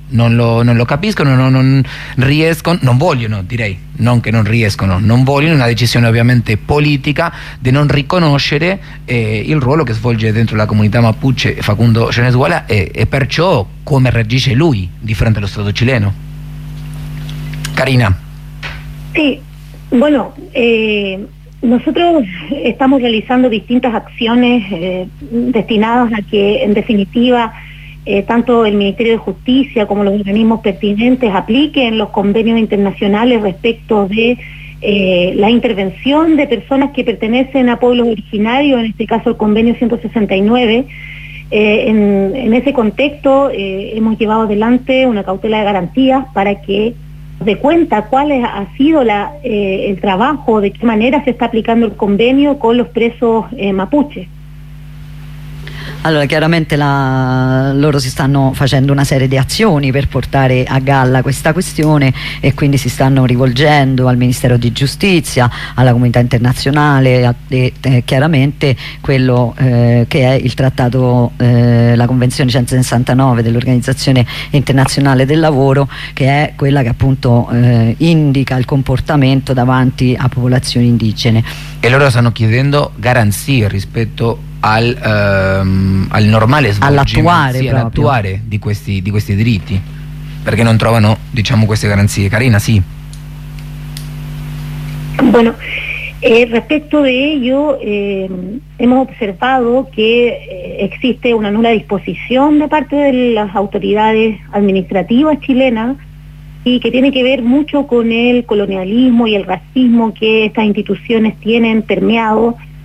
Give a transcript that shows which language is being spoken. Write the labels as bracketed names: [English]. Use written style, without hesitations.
[Italian] non lo capiscono, non riescono, non vogliono, direi, non che non riescono, non vogliono, una decisione ovviamente politica di non riconoscere il ruolo che svolge dentro la comunità mapuche Facundo Jones Guala e perciò come reagisce lui di fronte allo Stato cileno. Karina. [Spanish] Sì, bueno, nosotros estamos realizando distintas acciones destinadas a que, en definitiva, tanto el Ministerio de Justicia como los organismos pertinentes apliquen los convenios internacionales respecto de la intervención de personas que pertenecen a pueblos originarios, en este caso el convenio 169. En ese contexto hemos llevado adelante una cautela de garantías para que de cuenta cuál ha sido el trabajo, de qué manera se está aplicando el convenio con los presos mapuches. [Italian] Allora, chiaramente loro si stanno facendo una serie di azioni per portare a galla questa questione e quindi si stanno rivolgendo al Ministero di Giustizia, alla comunità internazionale e chiaramente quello che è il trattato, la Convenzione 169 dell'Organizzazione Internazionale del Lavoro, che è quella che appunto indica il comportamento davanti a popolazioni indigene. E loro stanno chiedendo garanzie rispetto al normale svolgimento, all'attuare di questi diritti, perché non trovano, diciamo, queste garanzie. Karina, sì. [Spanish] Bueno, respecto de ello, hemos observado que existe una nula disposición de parte de las autoridades administrativas chilenas y que tiene que ver mucho con el colonialismo y el racismo que estas instituciones tienen permeado.